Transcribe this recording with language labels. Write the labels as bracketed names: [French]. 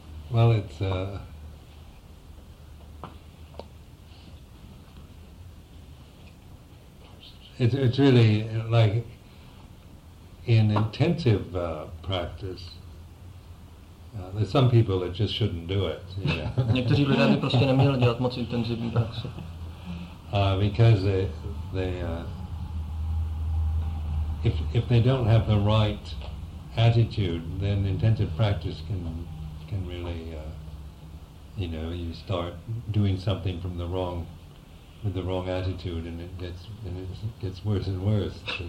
[English] Well, it's It's really like in intensive practice. There's some people that just shouldn't do it. [Czech] Někteří lidé by prostě neměli dělat moc intenzivní praxi. [English] Because if they don't have the right attitude, then intensive practice can really you start doing something from the wrong. With the wrong attitude, and it gets worse and worse.